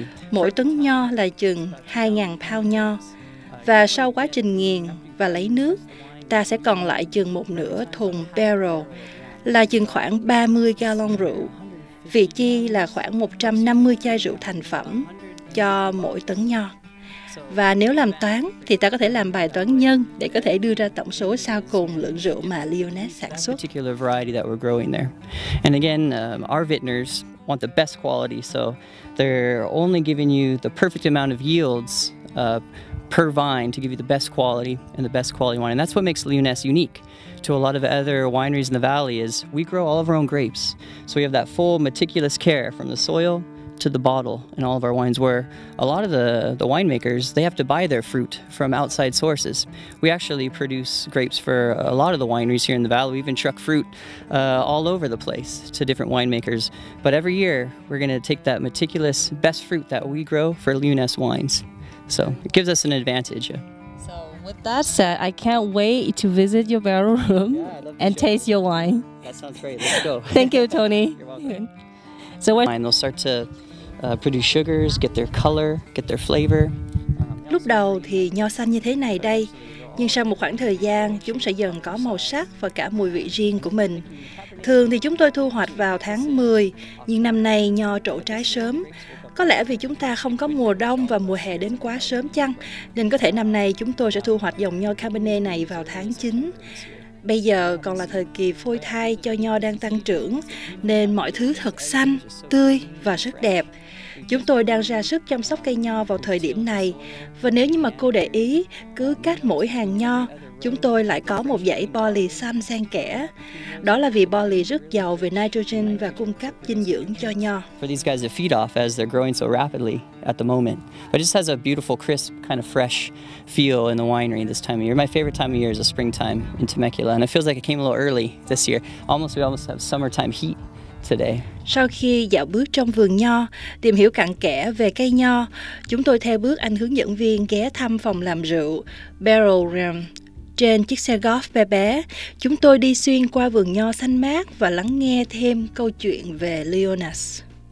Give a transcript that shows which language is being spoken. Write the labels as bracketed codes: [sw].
[vi] Mỗi tấn nho là chừng 2.000 pound nho. Và sau quá trình nghiền và lấy nước, ta sẽ còn lại chừng một nửa thùng barrel, là chừng khoảng 30 gallon rượu. Vị chi là khoảng 150 chai rượu thành phẩm cho mỗi tấn nho. Và nếu làm toán thì ta có thể làm bài toán nhân để có thể đưa ra tổng số sau cùng lượng rượu mà Leonette sản xuất. [en] Particular variety that we're growing there. And again, our vintners want the best quality, so they're only giving you the perfect amount of yields per vine to give you the best quality and the best quality wine. And that's what makes Leonette unique to a lot of other wineries in the valley is we grow all of our own grapes. So we have that full meticulous care from the soil to the bottle in all of our wines, where a lot of the winemakers, they have to buy their fruit from outside sources. We actually produce grapes for a lot of the wineries here in the valley. We even truck fruit all over the place to different winemakers. But every year, we're going to take that meticulous best fruit that we grow for Leonette wines. So it gives us an advantage. So With that said, I can't wait to visit your barrel room and taste your wine. That sounds great. Let's go. Thank you, Tony. You're welcome. So they'll start to produce sugars, get their color, get their flavor. [vi] Lúc đầu thì nho xanh như thế này đây, nhưng sau một khoảng thời gian, chúng sẽ dần có màu sắc và cả mùi vị riêng của mình. Thường thì chúng tôi thu hoạch vào tháng 10, nhưng năm nay nho trổ trái sớm. Có lẽ vì chúng ta không có mùa đông và mùa hè đến quá sớm chăng, nên có thể năm nay chúng tôi sẽ thu hoạch dòng nho Cabernet này vào tháng 9. Bây giờ còn là thời kỳ phôi thai cho nho đang tăng trưởng, nên mọi thứ thật xanh, tươi và rất đẹp. Chúng tôi đang ra sức chăm sóc cây nho vào thời điểm này, và nếu như mà cô để ý, cứ cách mỗi hàng nho, chúng tôi lại có một dãy barley xanh xen kẽ. Đó là vì barley rất giàu về nitrogen và cung cấp dinh dưỡng cho nho. [en] For these guys to feed off as they're growing so rapidly at the moment. But it just has a beautiful, crisp, kind of fresh feel in the winery this time of year. My favorite time of year is the springtime in Temecula, and it feels like it came a little early this year. We almost have summertime heat today. [vi] Sau khi dạo bước trong vườn nho, tìm hiểu cặn kẽ về cây nho, chúng tôi theo bước anh hướng dẫn viên ghé thăm phòng làm rượu, barrel room. Trên chiếc xe golf bé bé, chúng tôi đi xuyên qua vườn nho xanh mát và lắng nghe thêm câu chuyện về Leonas.